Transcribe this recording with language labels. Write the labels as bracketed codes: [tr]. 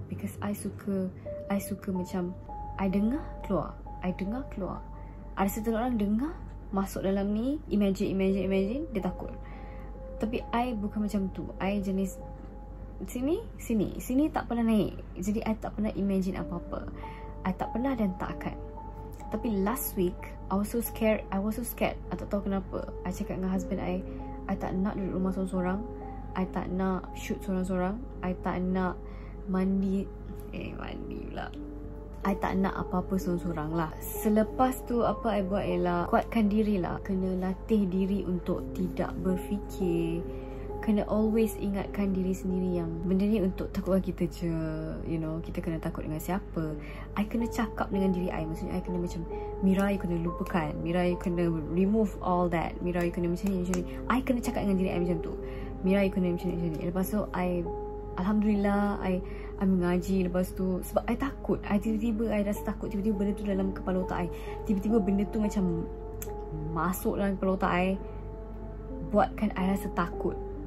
[en] Because [ms] I suka macam, I dengar keluar. Ada satu orang dengar masuk dalam ni, imagine, dia takut. Tapi I bukan macam tu. I jenis sini tak pernah naik. Jadi I tak pernah imagine apa-apa. I tak pernah dan tak akan. Tapi [en] last week I was so scared. [ms] I tak tahu kenapa. I cakap dengan husband I tak nak duduk rumah sorang-sorang. I tak nak shoot sorang-sorang. I tak nak mandi pula. I tak nak apa-apa sorang-sorang lah. Selepas tu apa I buat ialah kuatkan dirilah. Kena latih diri untuk tidak berfikir. Kena always ingatkan diri sendiri yang benda ni untuk takutkan kita je. [en] You know, [ms] kita kena takut dengan siapa. I kena cakap dengan diri I. Maksudnya I kena macam, Mira, you kena lupakan. Mira, you kena [en] remove all that. [ms] Mira, you kena macam ni. I kena cakap dengan diri I macam tu. Mira, you kena macam ni. Lepas tu I, alhamdulillah, I mengaji lepas tu. Sebab I takut. I rasa takut tiba-tiba benda tu dalam kepala otak I. Tiba-tiba benda tu macam masuk dalam kepala otak I, buatkan I rasa takut.